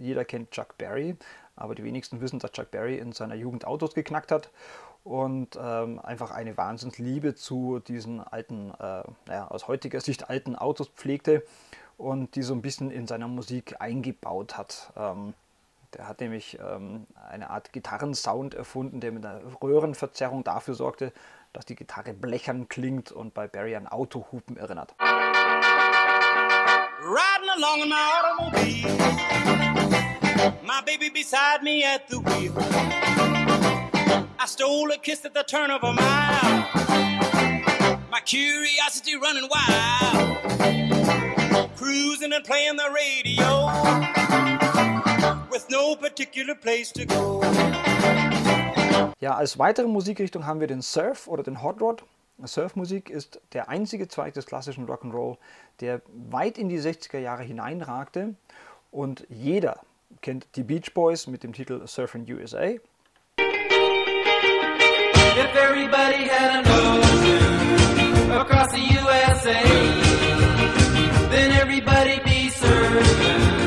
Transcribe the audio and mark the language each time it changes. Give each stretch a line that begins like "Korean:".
German: Jeder kennt Chuck Berry, aber die wenigsten wissen, dass Chuck Berry in seiner Jugend Autos geknackt hat und einfach eine Wahnsinnsliebe zu diesen alten, aus heutiger Sicht alten Autos pflegte. Und die so ein bisschen in seiner Musik eingebaut hat. Der hat nämlich eine Art Gitarrensound erfunden, der mit einer Röhrenverzerrung dafür sorgte, dass die Gitarre blechern klingt und bei Barry an Autohupen erinnert.
English: Riding along in my automobile, my baby beside me at the wheel. I stole a kiss at the turn of a mile, my curiosity running wild. Cruising and playing the radio with no particular place to go.
German: Ja, als weitere Musikrichtung haben wir den Surf oder den Hot Rod. Surfmusik ist der einzige Zweig des klassischen Rock'n'Roll, der weit in die 60er Jahre hineinragte. Und jeder kennt die Beach Boys mit dem Titel Surfing USA.
English: If everybody had an ocean across the USA, then everybody be surfing.